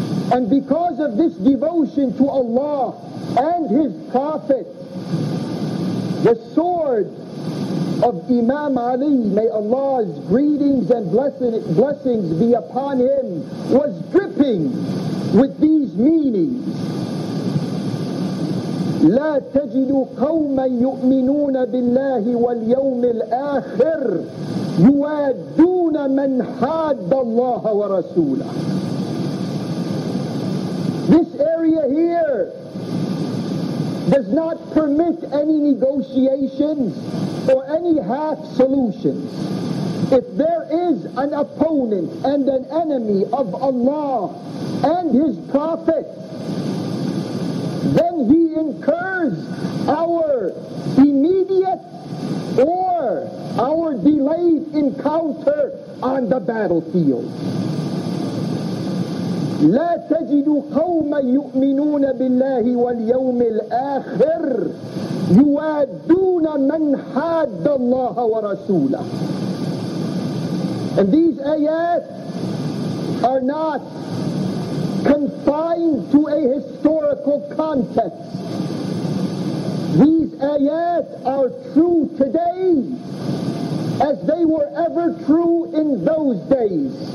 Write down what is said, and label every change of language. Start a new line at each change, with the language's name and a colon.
English: And because of this devotion to Allah and His Prophet, the sword of Imam Ali, may Allah's greetings and blessings be upon him, was dripping with these meanings.
Arabic: لا تجد قوما يؤمنون بالله واليوم الآخر يوادون من حاد الله ورسوله.
English: This area here does not permit any negotiations or any half solutions. If there is an opponent and an enemy of Allah and His Prophet, then he incurs our immediate or our delayed encounter on the battlefield.
Arabic: لا تجد قوما يؤمنون بالله واليوم الآخر يوادون من حاد الله ورسوله.
English: And these ayat are not confined to a historical context. These ayat are true today as they were ever true in those days.